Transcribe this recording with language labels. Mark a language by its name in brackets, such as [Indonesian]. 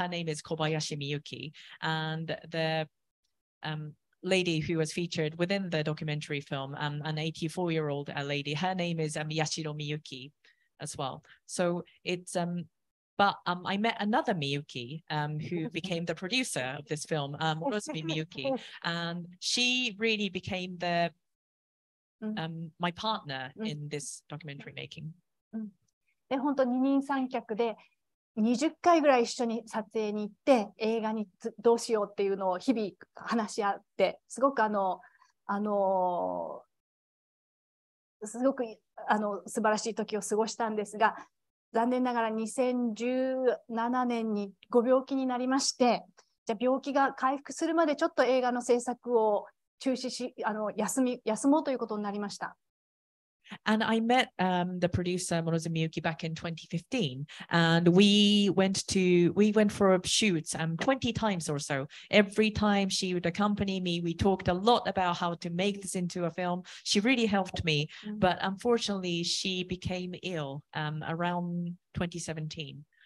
[English] Her name is Kobayashi Miyuki. And the lady who was featured within the documentary film, an 84-year-old lady, her name is Yashiro Miyuki as well. So it's I met another Miyuki who became the producer of this film, Orozumi Miyuki, and she really became the my partner in this documentary making. [Japanese] で、本当二人三脚で20回ぐらい一緒に撮影に行って、映画にどうしようっていうのを日々話し合って、すごくすごく素晴らしい時を過ごしたんですが、残念ながら2017年にご病気になりまして、じゃ病気が回復するまでちょっと映画の制作を中止し、休もうということになりました。 [English] And I met the producer Morozumi Miyuki back in 2015, and we went for shoots 20 times or so. Every time she would accompany me, we talked a lot about how to make this into a film. She really helped me, but unfortunately, she became ill around 2017.